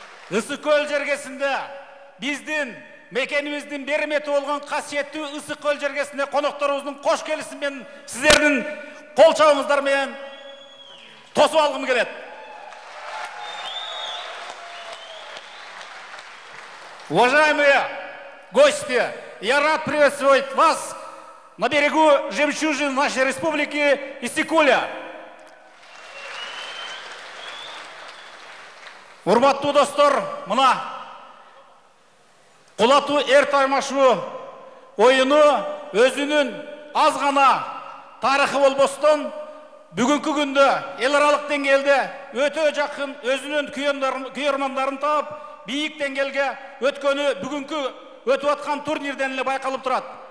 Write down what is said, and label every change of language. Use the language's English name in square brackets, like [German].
[Kyrgyz] Исыкөл жергесинде биздин мекенибиздин бермети болгон касиеттүү Ысык Көл жергесинде конокторубуздун кош келисин менен силердин кол чабыңыздар менен тосуп алгым келет. [Russian] Уважаемые гости, я рад приветствовать вас на берегу жемчужин нашей республики Исыкуля. [Kyrgyz] Урматтуу достор, мына Кулату эрт аймашуу оюну өзүнүн аз гана тарыхы болбостон бүгүнкү күндө эл аралык деңгээлде өтө жакын өзүнүн күйөрмандарын таап бийик деңгээлге өткөнү бүгүнкү өтүп аткан турнирден эле байкалып турат.